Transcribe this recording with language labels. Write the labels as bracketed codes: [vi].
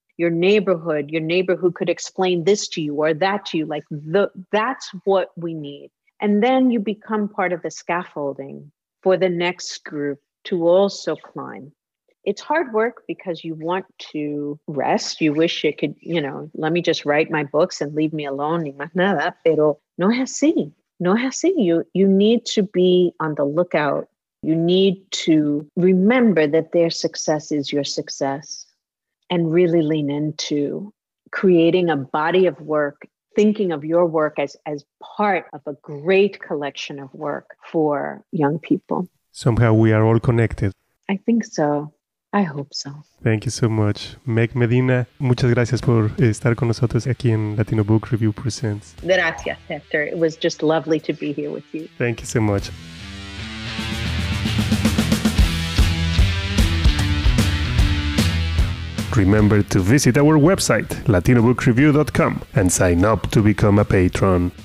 [en] Your neighbor who could explain this to you or that to you, like that's what we need. And then you become part of the scaffolding for the next group to also climb. It's hard work because you want to rest. You wish it could, you know, let me just write my books and leave me alone. [es] Ni más nada, pero no es así. [en] No, Hasi, you need to be on the lookout. You need to remember that their success is your success and really lean into creating a body of work, thinking of your work as part of a great collection of work for young people. Somehow we are all connected. I think so. I hope so. Thank you so much. [es] Meg Medina, muchas gracias por estar con nosotros aquí en Latino Book Review Presents. Gracias, Hector. [en] It was just lovely to be here with you. Thank you so much. Remember to visit our website, latinobookreview.com, and sign up to become a patron.